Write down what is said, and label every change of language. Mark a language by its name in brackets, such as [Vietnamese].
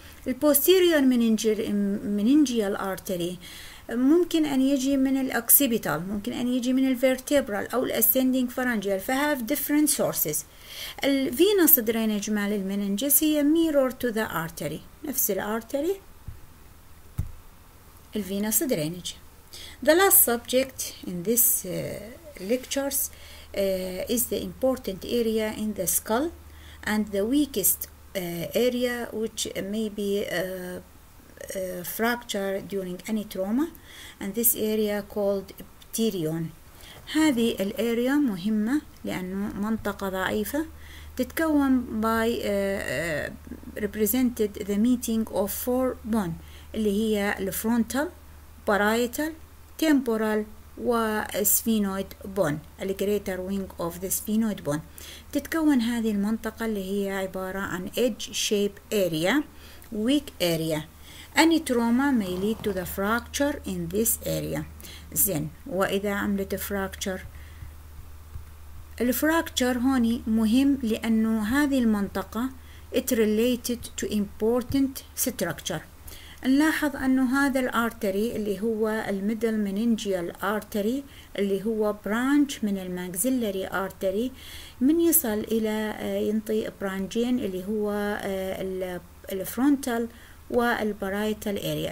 [Arabic] البوستيرير مننجيال ارتري ممكن ان يجي من الاكسيبيتال، ممكن ان يجي من الفيرتيبرال او الاسندينج فرانجيال، [English] فهاف different sources. [Arabic] الفينوس درينج مال المننجس هي [English] mirror to the artery, [Arabic] نفس الارتري الفينوس درينج. [English] The last subject in this lectures is the important area in the skull and the weakest area which may be fracture during any trauma, and this area called pterion. [Arabic] هذه الأريا مهمة لأنه منطقة ضعيفة تتكون [English] by represented the meeting of four bone [Arabic] اللي هي الفرونتال، بارايتال، temporal و sphenoid bone، [English] the greater wing of the sphenoid bone. [Arabic] تتكون هذه المنطقة اللي هي عبارة عن [English] edge shape area، weak area. Any trauma may lead to the fracture in this area. [Arabic] زين، وإذا عملت fracture، الfracture هون مهم لأنه هذه المنطقة [English] it related to important structure. [Arabic] نلاحظ أنه هذا الارتري اللي هو الميدل مننجيال ارتري اللي هو برانش من الماكسيلري ارتري، من يصل إلى ينطي برانجين اللي هو الفرونتال والبرايتال اريا.